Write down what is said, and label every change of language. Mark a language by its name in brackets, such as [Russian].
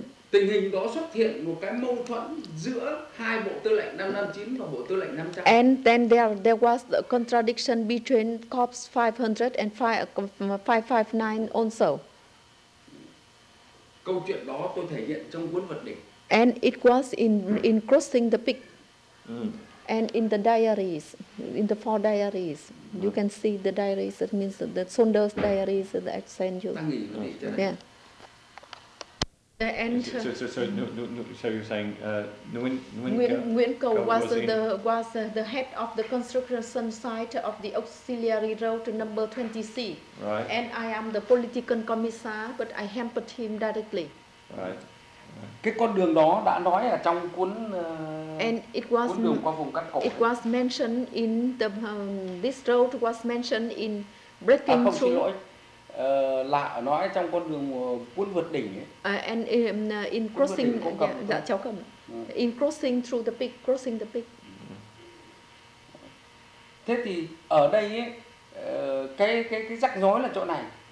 [Vietnamese] Tình hình đó xuất hiện một cái mâu thuẫn giữa hai bộ tư lệnh 559 và bộ tư lệnh 500. [English] And then there was a contradiction between Corps 500 and 559 also. [Vietnamese] Câu chuyện đó tôi thể hiện trong cuốn Vật Đỉnh. [English] And it was in Crossing the Peak. And in the diaries, in the four diaries, you can see the diaries, that means the Saunders diaries that I sent you. [Vietnamese] Ta nghỉ một tí cho đây. [English] Yeah. And so you're saying Nguyen Cầu was the head of the construction site of the auxiliary road number 20C. Right. And I am the political commissar, but I hampered him directly. Right. [Vietnamese] Cái con đường đó đã nói ở trong cuốn [English] and it was [Vietnamese] cuốn đường qua vùng cắt cổ. [English] It was mentioned in the this road was mentioned in breaking through. [Vietnamese] Lạ nói trong con đường cuốn vượt đỉnh ấy. [English] And in crossing [Vietnamese] dạ cháu cầm. [English] In crossing through the peak, crossing the peak. [Vietnamese] Thế thì ở đây ấy, cái rắc rối là chỗ này.